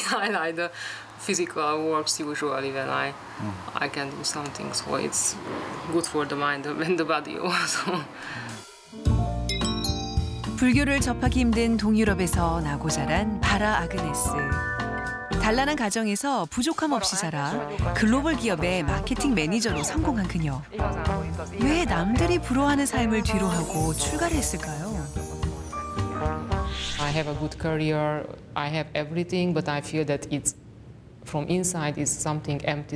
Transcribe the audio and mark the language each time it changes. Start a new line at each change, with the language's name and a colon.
English: I like the physical works usually when I can do something. So it's good for the mind and the body also.
Korean: 불교를 접하기 힘든 동유럽에서 나고 자란 바라 아그네스. 단란한 가정에서 부족함 없이 자라 글로벌 기업의 마케팅 매니저로 성공한 그녀. 왜 남들이 부러워하는 삶을 뒤로하고 출가를 했을까요?
English: I have a good career. I have everything, but I feel that it's from inside is something empty.